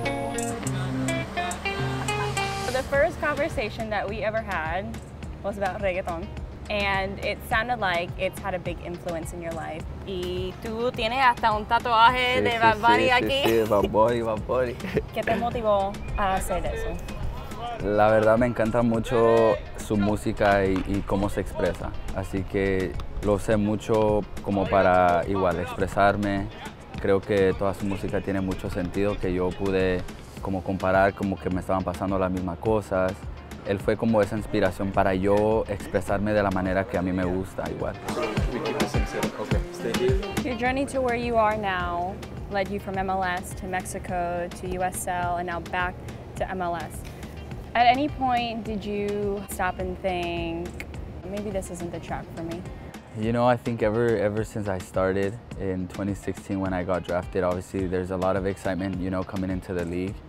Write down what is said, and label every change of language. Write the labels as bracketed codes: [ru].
[en] The first conversation that we ever had was about reggaeton, and it sounded like it's had a big influence in your life. [es] Y tú tienes hasta un tatuaje de Bad Bunny aquí. Sí, Bad Bunny, Bad Bunny. ¿Qué te motivó a hacer eso? La verdad me encanta mucho su música y cómo se expresa, así que lo usé mucho como para igual expresarme. Creo que toda su música tiene mucho sentido, que yo pude como comparar como que me estaban pasando las mismas cosas. Él fue como esa inspiración para yo expresarme de la manera que a mí me gusta igual. [en] Your journey to where you are now led you from MLS to Mexico to USL and now back to MLS. At any point did you stop and think, maybe this isn't the track for me? You know, I think ever since I started in 2016 when I got drafted, obviously there's a lot of excitement, you know, coming into the league.